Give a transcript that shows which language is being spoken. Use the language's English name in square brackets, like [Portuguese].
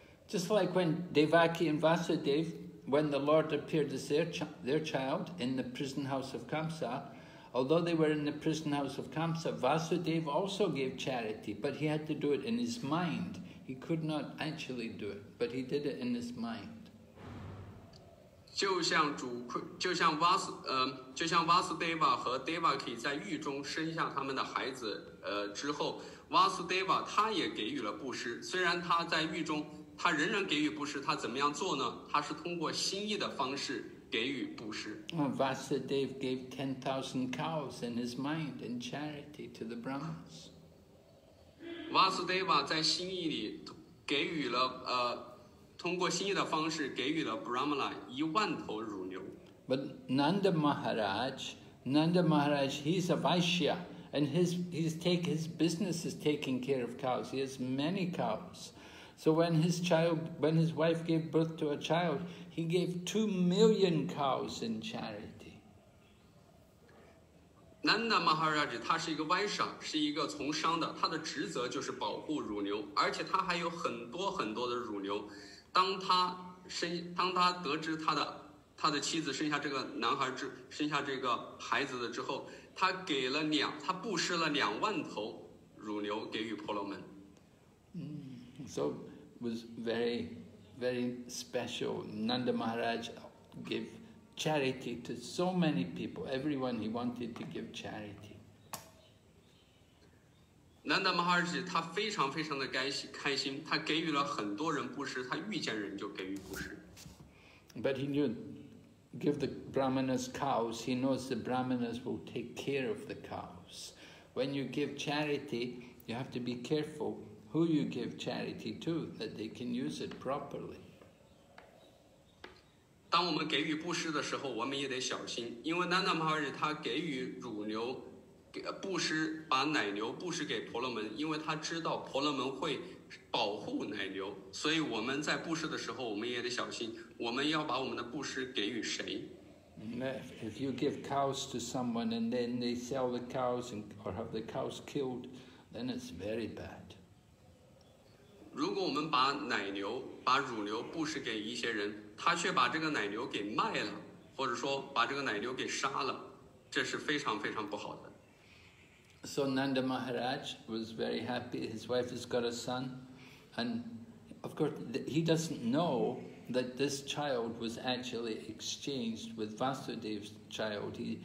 [English] Just like when Devaki and Vasudev, when the Lord appeared as their child in the prison house of Kamsa,Although they were in the prison house of Kamsa, Vasudev also gave charity, but he had to do it in his mind. He could not actually do it, but he did it in his mind. [Chinese] 就像 Vasudeva 和 Devaki 在狱中生下他们的孩子之后 ，Vasudeva 他也给予了布施。虽然他在狱中，他仍然给予布施。他怎么样做呢？他是通过心意的方式。 [English] Vasudev gave 10,000 cows in his mind in charity to the Brahmins. [Chinese] Vasudeva 在心意里给予了通过心意的方式给予了 Brahmana 一万头乳牛。 [English] But Nanda Maharaj, he's a Vaishya, and his business is taking care of cows. He has many cows. So when his wife gave birth to a child, he gave 2 million cows in charity. [Chinese] Nanda Maharaj, 他是一个 Vaishya, 是一个从商的，他的职责就是保护乳牛，而且他还有很多很多的乳牛。当他得知他的妻子生下这个男孩之生下这个孩子的之后，他给了两他布施了两万头乳牛给予婆罗门。 [English] So it was very, very special. Nanda Maharaj gave charity to so many people. Everyone he wanted to give charity. [Chinese] Nanda Maharaj, 他非常非常的开心，他给予了很多人布施，他遇见人就给予布施。 [English] But he knew, give the brahmanas cows, he knows the brahmanas will take care of the cows. When you give charity, you have to be careful. Who you give charity to, that they can use it properly. [Chinese] 当我们给予布施的时候，我们也得小心，因为 Nanda Maharaj 他给予乳牛，布施把奶牛布施给婆罗门，因为他知道婆罗门会保护奶牛，所以我们在布施的时候，我们也得小心，我们要把我们的布施给予谁。 [English] If you give cows to someone and then they sell the cows or have the cows killed, then it's very bad. [Chinese] 如果我们把奶牛、把乳牛布施给一些人，他却把这个奶牛给卖了，或者说把这个奶牛给杀了，这是非常非常不好的。 [English] So Nanda Maharaj was very happy. His wife has got a son, and of course he doesn't know that this child was actually exchanged with Vasudev's child.